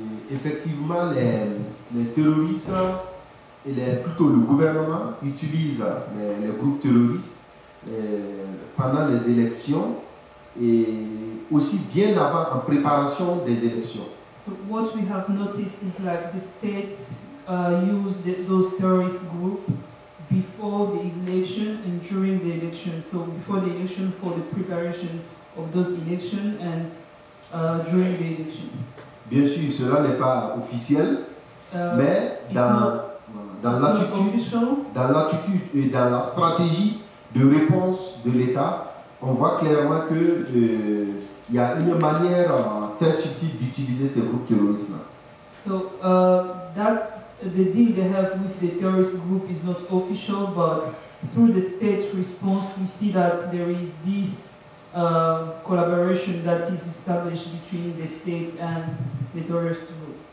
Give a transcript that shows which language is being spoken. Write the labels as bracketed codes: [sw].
[fr] Effectivement, les terroristes et plutôt le gouvernement utilisent les groupes terroristes pendant les élections et aussi bien avant en préparation des élections. [en] But what we have noticed is like the states use those terrorist groups before the election and during the election. So before the election for the preparation of those elections and during the election. [fr] Bien sûr, cela n'est pas officiel, mais dans l'attitude et dans la stratégie de réponse de l'État, on voit clairement que il y a une manière très subtile d'utiliser ces groupes terroristes. [en] So that the deal they have with the terrorist group is not official, but through the state's response, we see that there is this collaboration that is established between the state and the terrorist group.